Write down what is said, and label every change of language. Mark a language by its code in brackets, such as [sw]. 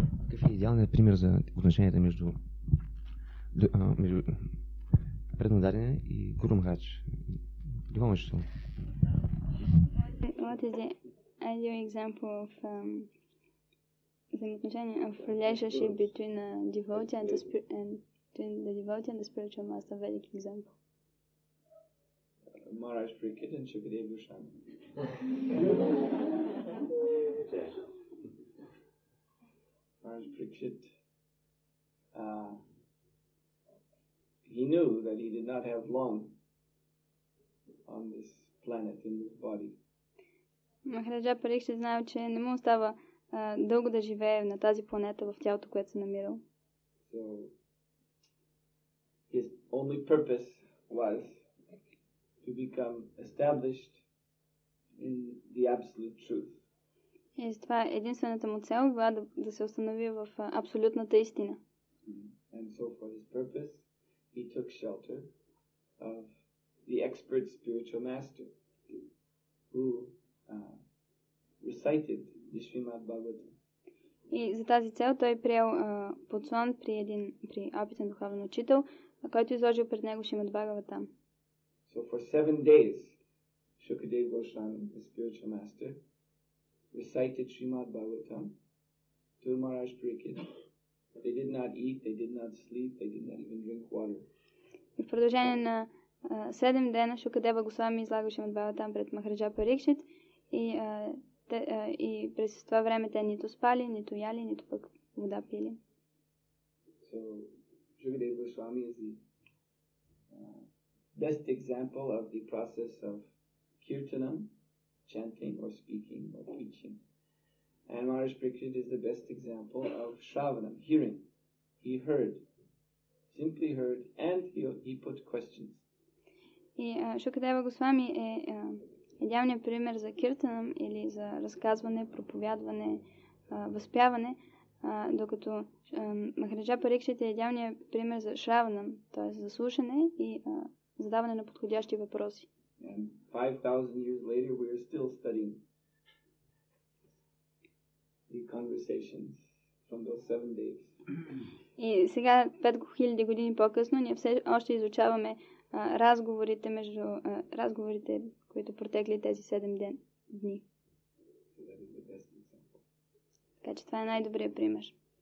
[bg] Какъв е идеалният пример за отношенията между, между преднадарене и Гуру Махарадж? Добавяш се. [en] What is the ideal example of взаимоотношение, of relationship between a devotee and the spirit and between the devotee and the spiritual master, Vedic example? Maharaj Prakrit and Shukadev Goswami. Maharaj Prakrit, he knew that he did not have long on this planet, in this body. [bg] Махараджа Парикшит знаел, че не му остава дълго да живее на тази планета в тялото, което се намирал. [en] So, his only purpose was to become established in the absolute truth. [bg] И това единствената му цел била да се установи в абсолютната истина. [en] And so for his purpose, he took shelter of the expert spiritual master who recited the Srimad Bhagavatam. [bg] И за тази цел той приел подслон при един опитен духовен учител, който изложил пред него Шримад Бхагаватам. [en] So for 7 days Shukadev Goswami, the spiritual master, recited Srimad Bhagavatam to Maharaj Parikshit. They did not eat, they did not sleep, they did not even drink water. [bg] И в продължение на 7 дена Шукадева Госвами излагал Шримад Бхагаватам пред Махараджа Парикшит и и през това време те нито спали, нито яли, нито пък вода пили. [en] So, Shukadev Goswami is the best example of the process of kirtanam, chanting or speaking or preaching. And Maharaj Parikshit is the best example of shravanam, hearing. He heard, simply heard, and he put questions. [bg] И Шукадева Госвами е идеалният пример за киртанам или за разказване, проповядване, възпяване, докато Махараджа Парикшит е идеалният пример за шраванам, т.е. за слушане и задаване на подходящи въпроси. [en] And 5000 years later we are still studying the conversations from those 7 days. [bg] И сега 5000 години по-късно ние все още изучаваме разговорите между разговорите, които протекли тези 7 дни. Така че това е най-добрият пример.